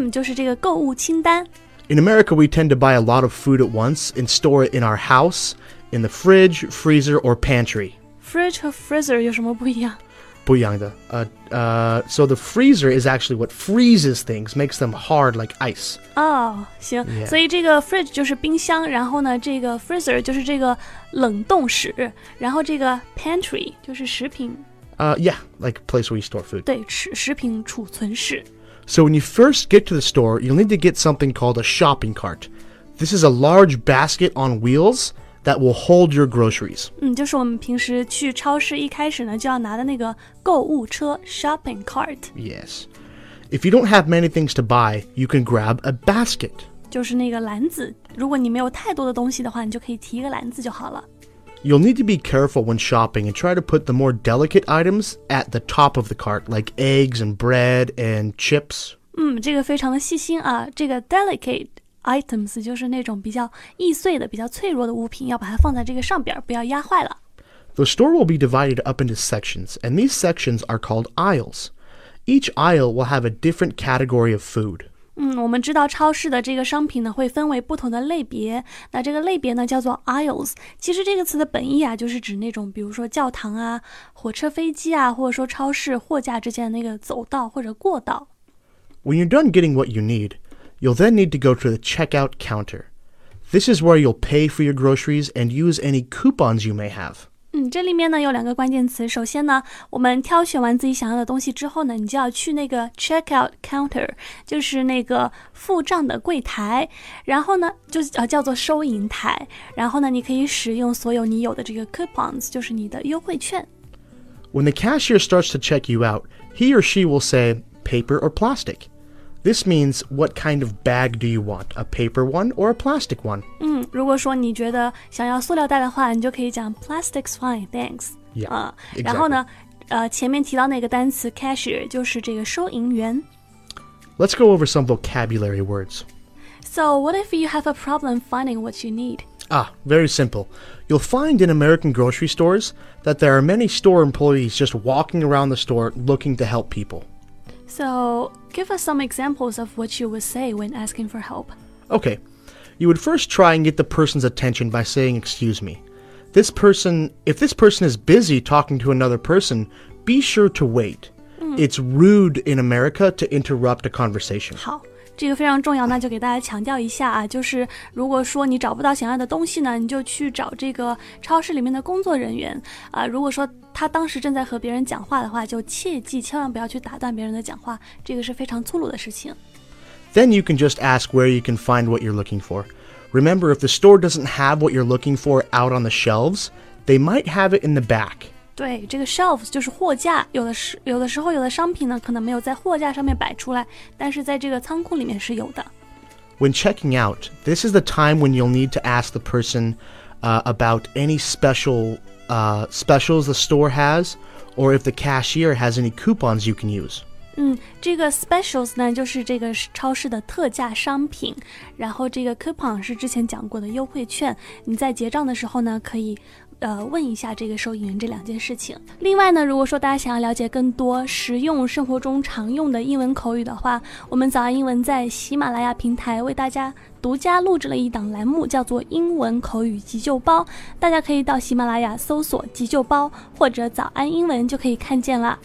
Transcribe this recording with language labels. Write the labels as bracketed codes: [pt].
[zh] 就是这个购物清单。 [en] In America, we tend to buy a lot of food at once and store it in our house, in the fridge, freezer, or pantry. [zh] Fridge 和 freezer 有什么不一样？不一样的。 [en] So the freezer is actually what freezes things, makes them hard like ice. [zh] 行。 [en] Yeah. [zh] 所以这个 fridge 就是冰箱，然后呢，这个 freezer 就是这个冷冻室，然后这个 pantry 就是食品。 [en] Yeah, like a place where you store food. [zh] 对，食品储存室。 [en] So when you first get to the store, you'll need to get something called a shopping cart. This is a large basket on wheels that will hold your groceries. [zh] 就是我们平时去超市一开始呢就要拿的那个购物车 shopping cart. [en] Yes. If you don't have many things to buy, you can grab a basket. [zh] 就是那个篮子。如果你没有太多的东西的话，你就可以提一个篮子就好了。 [en] You'll need to be careful when shopping and try to put the more delicate items at the top of the cart, like eggs and bread and chips. [zh] 这个非常的细心啊，这个 delicate items 就是那种比较易碎的、比较脆弱的物品，要把它放在这个上边，不要压坏了。 [en] The store will be divided up into sections, and these sections are called aisles. Each aisle will have a different category of food. [zh] 我们知道超市的这个商品呢会分为不同的类别，那这个类别呢叫做 aisles。其实这个词的本意啊，就是指那种比如说教堂啊、火车、飞机啊，或者说超市货架之间的那个走道或者过道。 [en] When you're done getting what you need, You'll then need to go to the checkout counter. This is where you'll pay for your groceries and use any coupons you may have. [zh] 这里面呢有两个关键词。首先呢，我们挑选完自己想要的东西之后呢，你就要去那个 checkout counter， 就是那个付账的柜台，然后呢就、叫做收银台，然后呢你可以使用所有你有的这个 coupons， 就是你的优惠券。 [en] When the cashier starts to check you out, he or she will say paper or plastic. This means what kind of bag do you want, a paper one or a plastic one? [zh] 如果说你觉得想要塑料袋的话，你就可以讲 [en] plastic's fine, thanks. Yeah, [zh] 然后呢，前面提到那个单词 cashier 就是这个收银员。 [en] Let's go over some vocabulary words. So what if you have a problem finding what you need? Very simple. You'll find in American grocery stores that there are many store employees just walking around the store looking to help people. So, give us some examples of what you would say when asking for help. Okay. You would first try and get the person's attention by saying, excuse me. If this person is busy talking to another person, be sure to wait. It's rude in America to interrupt a conversation. [zh] 好。这个非常重要，那就给大家强调一下啊，就是如果说你找不到想要的东西呢，你就去找这个超市里面的工作人员啊。如果说他当时正在和别人讲话的话，就切记千万不要去打断别人的讲话，这个是非常粗鲁的事情。 [en] Then you can just ask where you can find what you're looking for. Remember, if the store doesn't have what you're looking for out on the shelves, they might have it in the back. [zh] 对，这个 shelves 就是货架，有的时候有的商品呢可能没有在货架上面摆出来，但是在这个仓库里面是有的。 [en] When checking out, this is the time when you'll need to ask the person about any specials the store has, or if the cashier has any coupons you can use. [zh] 这个 specials 呢就是这个超市的特价商品，然后这个 coupon 是之前讲过的优惠券，你在结账的时候呢可以问一下这个收银员这两件事情。另外呢，如果说大家想要了解更多实用生活中常用的英文口语的话，我们早安英文在喜马拉雅平台为大家独家录制了一档栏目，叫做英文口语急救包，大家可以到喜马拉雅搜索急救包或者早安英文就可以看见了。